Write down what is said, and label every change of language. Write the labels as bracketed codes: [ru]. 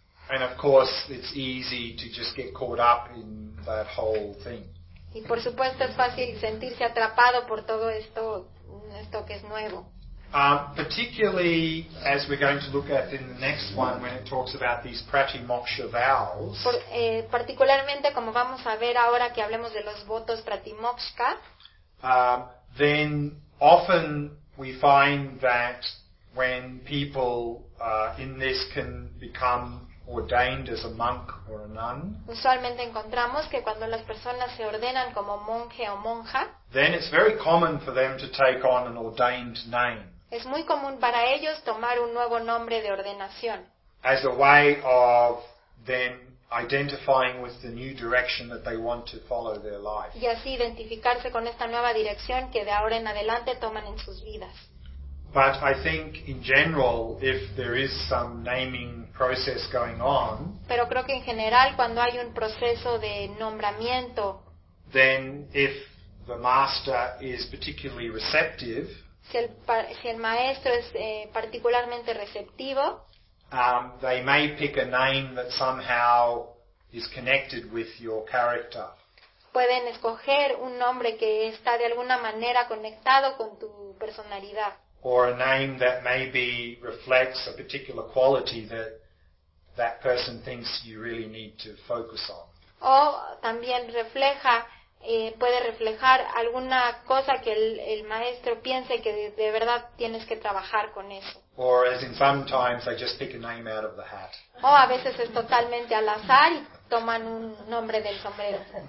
[en] And of course, it's easy to just get caught up in that whole thing. [es] Y por supuesto es fácil sentirse atrapado por todo esto que es nuevo. [en] Particularly as we're going to look at in the next one when it talks about these pratimoksha vows. [es] Particularmente como vamos a ver ahora que hablemos de los votos pratimoksha. [en] Then often we find that when people in this can become ordained as a monk or a nun. [es] Usualmente encontramos que cuando las personas se ordenan como monje o monja, [en] then it's very common for them to take on an ordained name. [es] Es muy común para ellos tomar un nuevo nombre de ordenación. [en] As a way of them identifying with the new direction that they want to follow their life. [es] Y así identificarse con esta nueva dirección que de ahora en adelante toman en sus vidas. [en] But I think, in general, if there is some naming process going on, [es] pero creo que en general, cuando hay un proceso de nombramiento, [en] then if the master is particularly receptive, [es] si el maestro es particularmente receptivo, [en] they may pick a name that somehow is connected with your character. [es] Pueden escoger un nombre que está de alguna manera conectado con tu personalidad. [en] Or a name that maybe reflects a particular quality that person thinks you really need to focus on. [es] O también refleja, puede reflejar alguna cosa que el maestro piense que de verdad tienes que trabajar con eso. [en] Or as in sometimes I just pick a name out of the hat. [es] O a veces es totalmente al azar y toman un nombre del sombrero.